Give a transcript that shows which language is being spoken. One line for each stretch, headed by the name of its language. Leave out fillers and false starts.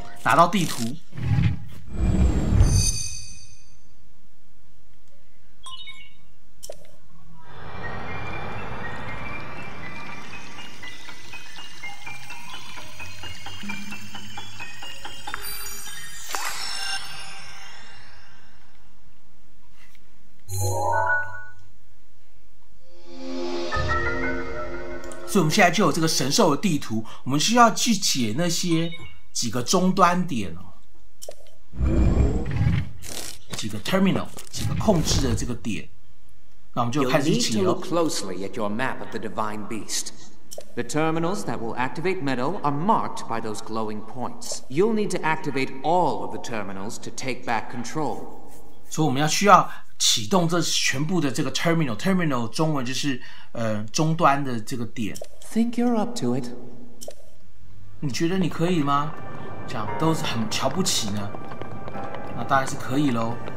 Chinese: 拿到地图，所以我们现在就有这个神兽的地图，我们需要去解那些几个终端点哦，几个 terminal， 几个控制的这个点，那我们就开始解了。
English: You need to look closely at your map of the Divine Beast. The terminals that will activate Meadow are marked by those glowing points. You'll need to activate all of the terminals to take back control.
Chinese: 所以我们要需要启动这全部的这个 terminal。 terminal 中文就是终端的这个点。
English: Think you're up to it?
Chinese: 你觉得你可以吗？这样都是很瞧不起呢，那当然是可以咯。